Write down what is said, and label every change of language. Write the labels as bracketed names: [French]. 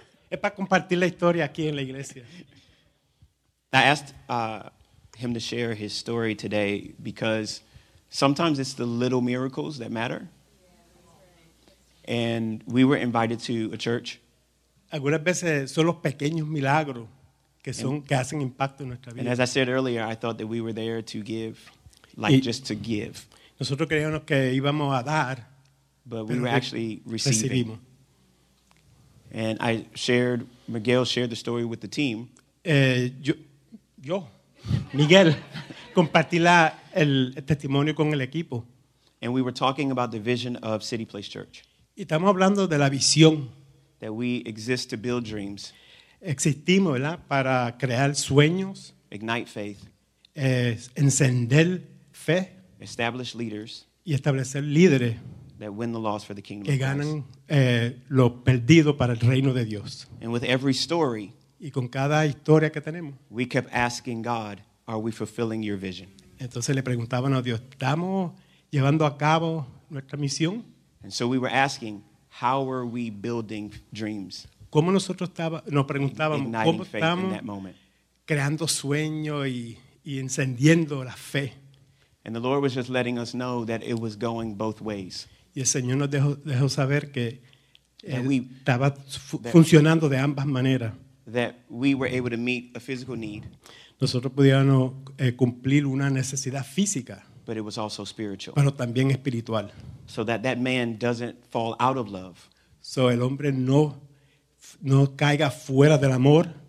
[Spanish] Es para compartir la historia aquí en la iglesia. [English] I asked him to share his story today because sometimes it's the little miracles that matter. And we were invited to a church. [Spanish] Algunas veces son los pequeños milagros que son que hacen impacto en nuestra vida. [English] And as I said earlier, I thought that we were there to give, like just to give. [Spanish] Nosotros creíamos que íbamos a dar, [English] but we were actually receiving. [Spanish] Recibimos. [English] And I shared, Miguel shared the story with the team. [Spanish] Yo, Miguel, compartí el testimonio con el equipo. [English] And we were talking about the vision of City Place Church. [Spanish] Y estamos hablando de la visión. [English] That we exist to build dreams. [Spanish] Existimos, ¿verdad? Para crear sueños. [English] Ignite faith. [Spanish] Encender fe. [English] Establish leaders. [Spanish] Y establecer líderes. [English] That win the lost for the kingdom. [Spanish] Que ganan lo perdido para el reino de Dios. [English] And with every story. [Spanish] Y con cada historia que tenemos. [English] We kept asking God, are we fulfilling your vision? [Spanish] Entonces le preguntaban a Dios, ¿estamos llevando a cabo nuestra misión? [English] And so we were asking, how are we building dreams? [Spanish] ¿Cómo nosotros nos preguntábamos [English] igniting [Spanish] cómo estamos [English] in that moment? [Spanish] Creando sueño y encendiendo la fe? [English] And the Lord was just letting us know that it was going both ways. [Spanish] Y el Señor nos dejó saber que estaba funcionando de ambas maneras. [English] That we were able to meet a physical need. [Spanish] Nosotros podíamos cumplir una necesidad física. [English] But it was also spiritual. [Spanish] Pero también espiritual. [English] So that man doesn't fall out of love. [Spanish] So el hombre no caiga fuera del amor.